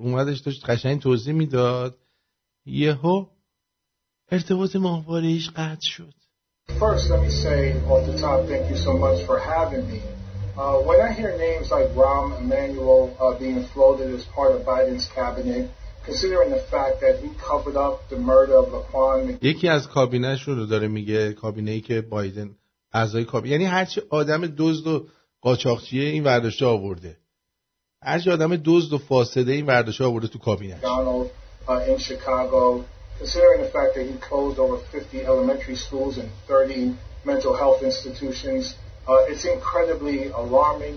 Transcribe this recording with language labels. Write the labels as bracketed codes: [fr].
[fa] اومدش داشت قشنگ توضیح میداد. یهو ارتباط ماهواره ایش قطع شد. [en] First let me say on the top thank you so much for having me. When I hear names like Rahm Emanuel being floated as part of Biden's cabinet, considering the fact that he covered up the murder of Laquan. [fa] یکی از کابینه شون رو داره میگه، کابینه ای که بایدن اعضای کابینه، یعنی هرچی آدم دزد و قاچاقچیه این ورداشته آورده، هرچی آدم دزد و فاسده این ورداشته آورده تو کابینه. [en] Donald in Chicago. Considering the fact that he closed over 50 elementary schools and 30 mental health institutions, it's incredibly alarming.